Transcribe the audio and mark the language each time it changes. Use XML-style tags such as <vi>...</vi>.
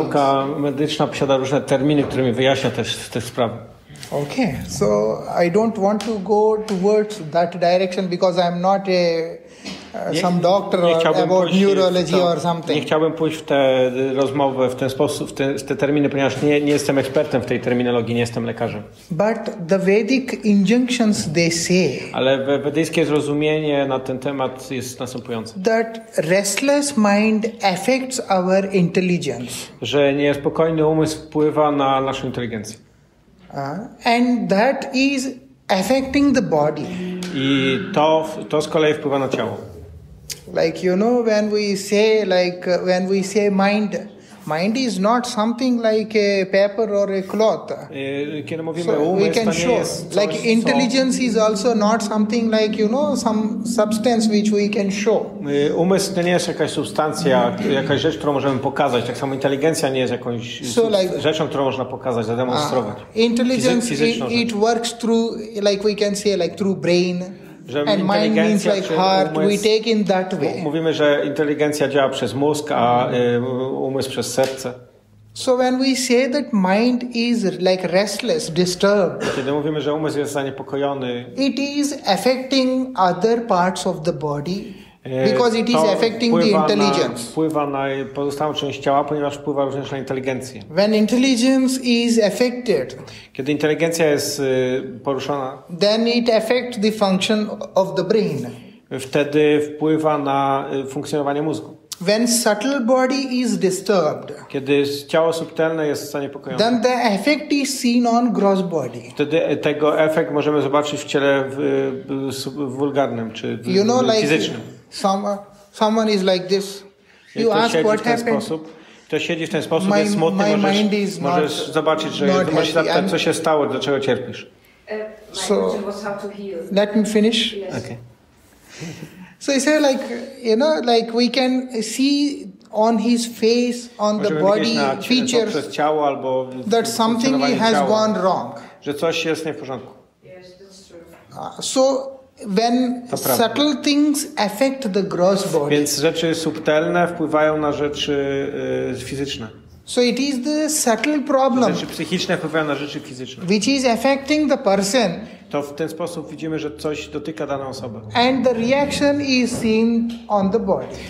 <pl>Nauka medyczna posiada różne terminy, którymi wyjaśnia też te sprawy.</pl> <en>Okay, so I don't want to go towards that direction because I'm not a some doctor about neurology or something.</en> <pl>Nie chciałbym pójść w tę rozmowę w ten sposób, w te terminy, ponieważ nie jestem ekspertem w tej terminologii, nie jestem lekarzem.</pl> <en>But the Vedic injunctions they say.</en> <pl>Ale wedyjskie zrozumienie na ten temat jest następujące.</pl> <en>That restless mind affects our intelligence.</en> <pl>Że niespokojny umysł wpływa na naszą inteligencję.</pl> <en>And that is affecting the body.</en> <pl>I to z kolei wpływa na ciało.</pl> <en>Like you know, when we say mind is not something like a paper or a cloth.</en> <pl>Kiedy mówimy o umyśle, to nie jest coś,</pl> <en>like intelligence is also not something like you know some substance which we can show.</en> <pl>Umysł to nie jest jakaś substancja, jakaś rzecz, którą możemy pokazać. Tak samo inteligencja nie jest jakąś rzeczą, którą można pokazać, zademonstrować.</pl> <en>Intelligence it works through like we can say like through brain. And mind means like heart. We take in that way.</en> <pl>Mówimy, że inteligencja działa przez mózg, a umysł przez serce.</pl> <en>So when we say that mind is like restless, disturbed.</en> <pl>Kiedy mówimy, że umysł jest zaniepokojony.</pl> <en>It is affecting other parts of the body. Because it is affecting the intelligence.</en> <pl>Wpływa na pozostałą część ciała, ponieważ wpływa również na inteligencję.</pl> <en>When intelligence is affected,</en> <pl>kiedy inteligencja jest poruszona,</pl> <en>then it affects the function of the brain.</en> <pl>Wtedy wpływa na funkcjonowanie mózgu.</pl> <en>When subtle body is disturbed,</en> <pl>kiedy ciało subtelne jest zaniepokojone,</pl> <en>then the effect is seen on gross body.</en> <pl>Wtedy tego efekt możemy zobaczyć w ciele wulgarnym czy</pl> <en>you know,</en> <pl>fizycznym.</pl> <en>Like someone is like this. You ask what happened.</en> <pl>To siedzi w ten sposób, jest smutny, możesz zobaczyć, że możesz się zapytać, co się stało, dlaczego cierpisz.</pl> <en>So, let me finish. Yes. Okay. So he said, like, you know, like we can see on his face, on the body, features,</en> <pl>ciało, albo</pl> <en>that something has</en> <pl>ciało,</pl> <en>gone wrong.</en> <pl>Że coś jest nie w porządku.</pl> <en>Yes, that's true. So when subtle things affect the gross body.</en> <pl>Więc rzeczy subtelne wpływają na rzeczy fizyczne.</pl> <en>So it is the subtle problem.</en> <pl>Rzeczy psychiczne wpływają na rzeczy fizyczne.</pl> <en>Which is affecting the person.</en> <pl>To w ten sposób widzimy, że coś dotyka daną osobę.</pl> <en>And the reaction is seen on the body.</en>